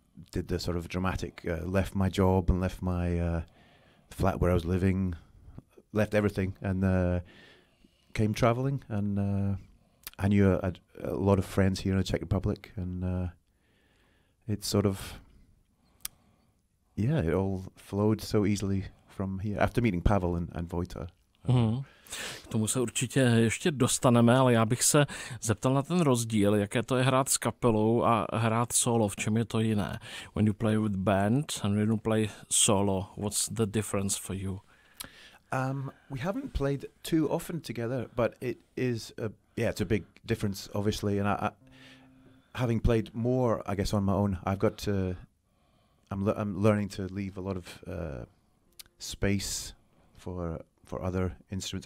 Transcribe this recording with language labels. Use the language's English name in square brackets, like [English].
[English] did the sort of dramatic left my job and left my flat where I was living, left everything, and came traveling, and I knew a lot of friends here in the Czech Republic, and it sort of, it all flowed so easily from here, after meeting Pavel and Vojta. Mm-hmm. [Czech] K tomu se určitě ještě dostaneme, ale já bych se zeptal na ten rozdíl, jaké to je hrát s kapelou a hrát solo, v čem je to jiné? [English] When you play with band and when you play solo, what's the difference for you? We haven't played too often together, but it is it's a big difference, obviously. And I having played more, I guess, on my own, I've got to, I'm learning to leave a lot of space for other instruments.